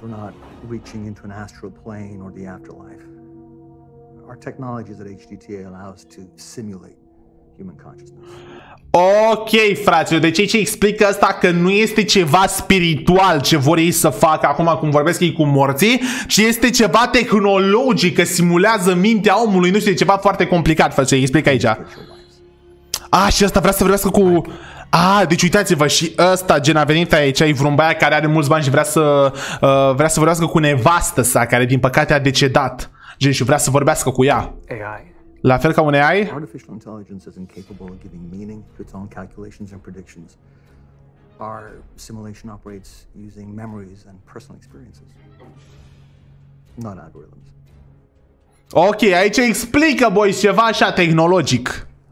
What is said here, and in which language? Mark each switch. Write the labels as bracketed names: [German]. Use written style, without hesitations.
[English] We're not reaching into an astral plane or the afterlife. Our technologies at HDTA allow us to simulate human consciousness. [Romanian] Ok, fraților, deci aici explică asta că nu este ceva spiritual ce vor ei să facă acum cum vorbesc ei cu morții, ci este ceva tehnologic, că simulează mintea omului, nu știu, ceva foarte complicat, fraților, explică aici. A, și asta vrea să vorbească cu... A, deci uitați-vă, și ăsta, gen, a venit aici, e vreun băiat care are mulți bani și vrea să vorbească cu nevastă sa, care din păcate a decedat, gen, și vrea să vorbească cu ea. AI. La fel ca un AI? [English] Artificial intelligence is incapable of giving meaning to its own calculations and predictions. Our simulation operates using memories and personal experiences, not algorithms. [Romanian] Ok, aici explică, boys, ceva așa tehnologic.